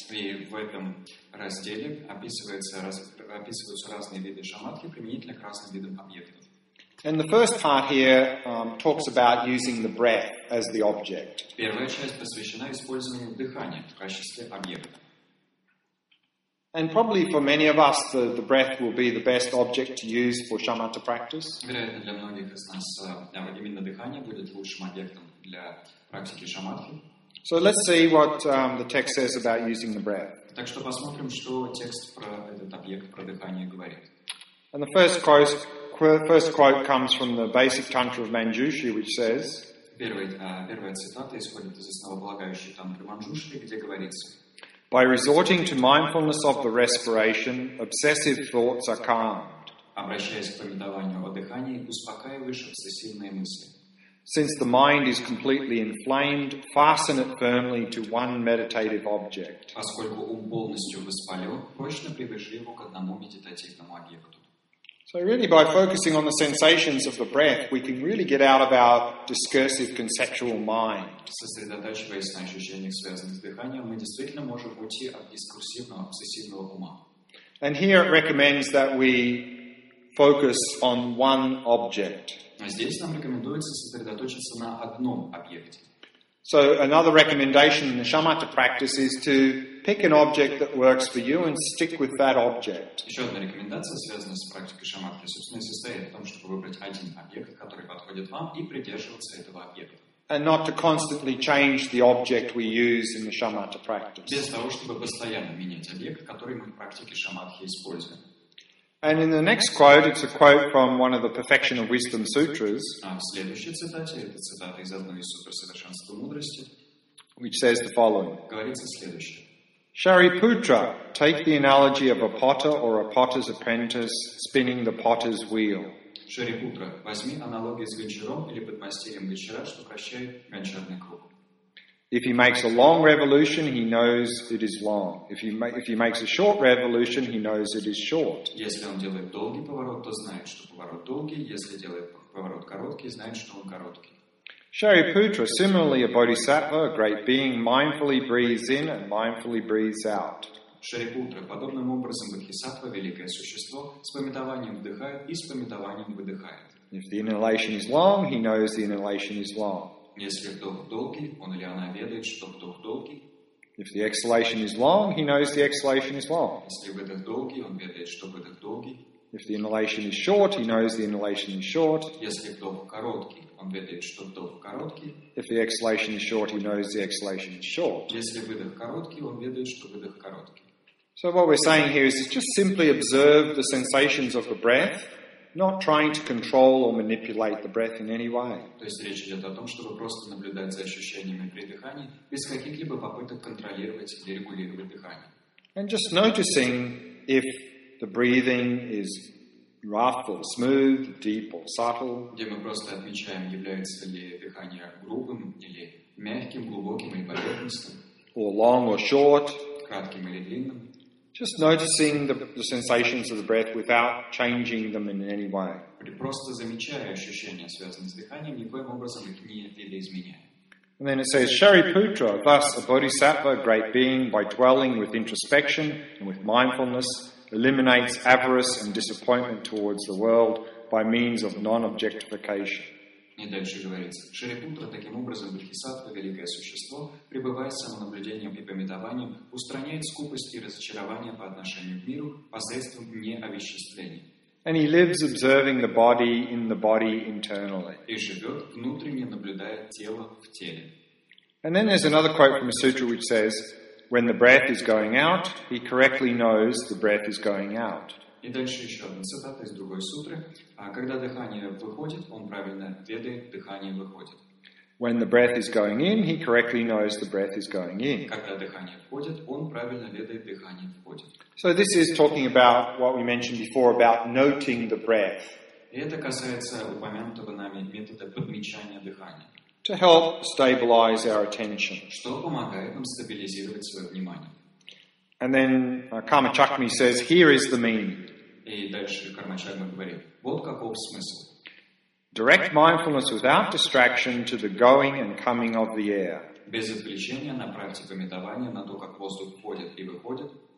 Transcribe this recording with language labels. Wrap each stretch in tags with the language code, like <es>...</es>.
<ru>И в этом разделе описываются разные виды шаматхи применительно к разным видам объектов.</ru> <en>And the first part here talks about using the breath as the object.</en> <ru>Первая часть посвящена использованию дыхания в качестве объекта.</ru> <en>And probably for many of us, the breath will be the best object to use for shamatha practice.</en> <ru>Вероятно, для многих из нас именно дыхание будет лучшим объектом для практики шамадхи.</ru> <en>So let's see what the text says about using the breath.</en> <ru>Так что посмотрим, что текст про этот объект, про дыхание говорит.</ru> <en>And the first quote comes from the basic tantra of Manjushri, which says.</en> <ru>Первая цитата исходит из основополагающей тантры Манджушри, где говорится.</ru> <en>By resorting to mindfulness of the respiration, obsessive thoughts are calmed.</en> <ru>Обращаясь к памятованию о дыхании, успокаиваешь обсессивные мысли.</ru> <en>Since the mind is completely inflamed, fasten it firmly to one meditative object.</en> <ru>Поскольку ум полностью воспален, прочно привяжи его к одному медитативному объекту.</ru> <en>So really, by focusing on the sensations of the breath, we can really get out of our discursive conceptual mind.</en> <ru>Сосредотачиваясь на ощущениях, связанных с дыханием, мы действительно можем уйти от дискурсивного, обсессивного ума.</ru> <en>And here it recommends that we focus on one object.</en> <ru>Здесь нам рекомендуется сосредоточиться на одном объекте.</ru> <en>So another recommendation in the shamatha practice is to pick an object that works for you and stick with that object.</en> <ru>Еще одна рекомендация, связанная с практикой шамадхи, собственно, состоит в том, чтобы выбрать один объект, который подходит вам, и придерживаться этого объекта.</ru> <en>And not to constantly change the object we use in the shamatha practice.</en> <ru>Без того, чтобы постоянно менять объект, который мы в практике шамадхи используем.</ru> <en>And in the next quote, it's a quote from one of the Perfection of Wisdom Sutras.</en> <ru>В следующей цитате, это цитата из одной из сутр совершенства мудрости,</ru> <en>which says the following.</en> <ru>Говорится следующее.</ru> <en>Shariputra, take the analogy of a potter or a potter's apprentice spinning the potter's wheel.</en> <ru>Шарипутра, возьми аналогию с гончаром или подмастерьем гончара, что вращает гончарный круг.</ru> <en>If he makes a long revolution, he knows it is long. If he makes a short revolution, he knows it is short.</en> <ru>Если он делает долгий поворот, то знает, что поворот долгий. Если делает поворот короткий, знает, что он короткий.</ru> <en>Shariputra, similarly a bodhisattva, a great being, mindfully breathes in and mindfully breathes out.</en> <ru>Шарипутра, подобным образом бодхисаттва, великое существо, с памятованием вдыхает и с памятованием выдыхает.</ru> <en>If the inhalation is long, he knows the inhalation is long.</en> <ru>Если вдох долгий, он или она ведает, что вдох долгий.</ru> <en>If the exhalation is long, he knows the exhalation is long.</en> <ru>Если выдох долгий, он ведает, что выдох долгий.</ru> <en>If the inhalation is short, he knows the inhalation is short.</en> <ru>Если вдох короткий. Он ведает, что вдох короткий.</ru> <en>If the exhalation is short, he knows the exhalation is short.</en> <ru>Если выдох короткий, он ведает, что выдох короткий.</ru> <en>So what we're saying here is just simply observe the sensations of the breath, not trying to control or manipulate the breath in any way.</en> <ru>То есть речь идет о том, чтобы просто наблюдать за ощущениями при дыхании без каких-либо попыток контролировать или регулировать дыхание.</ru> <en>And just noticing if the breathing is wrathful, smooth, deep or subtle.</en> <ru>Где мы просто отмечаем, является ли дыхание грубым или мягким, глубоким или поверхностным.</ru> <en>Or long or short.</en> <ru>Кратким или длинным.</ru> <en>Just noticing the sensations of the breath without changing them in any way.</en> <ru>Просто замечая ощущения, связанные с дыханием, никоим образом их не видоизменяя.</ru> <en>And then it says, Shariputra, thus a bodhisattva, a great being, by dwelling with introspection and with mindfulness, eliminates avarice and disappointment towards the world by means of non-objectification.</en> <ru>И дальше говорится, Шарипутра таким образом, Бодхисаттва, великое существо, пребывает самонаблюдением и памятованием, устраняет скупости и разочарования по отношению к миру посредством неовеществления.</ru> <en>And he lives observing the body in the body internally.</en> <ru>И живет, внутренне наблюдая тело в теле.</ru> <en>And then there's another quote from a sutra which says, when the breath is going out, he correctly knows the breath is going out.</en> <ru>И дальше еще одна цитата из другой сутры. Когда дыхание выходит, он правильно ведает, дыхание выходит.</ru> <en>When the breath is going in, he correctly knows the breath is going in.</en> <ru>Когда дыхание входит, он правильно ведает, дыхание входит.</ru> <en>So this is talking about what we mentioned before about noting the breath.</en> <ru>И это касается упомянутого нами метода подмечания дыхания.</ru> <en>To help stabilize our attention.</en> <ru>Что помогает нам стабилизировать свое внимание.</ru> <en>And then Karmachakmi says, here is the meaning.</en> <ru>И дальше Кармачакма говорит, вот каков смысл.</ru> <en>Direct mindfulness without distraction to the going and coming of the air.</en> <ru>Без отвлечения направьте памятование на то, как воздух входит и выходит.</ru>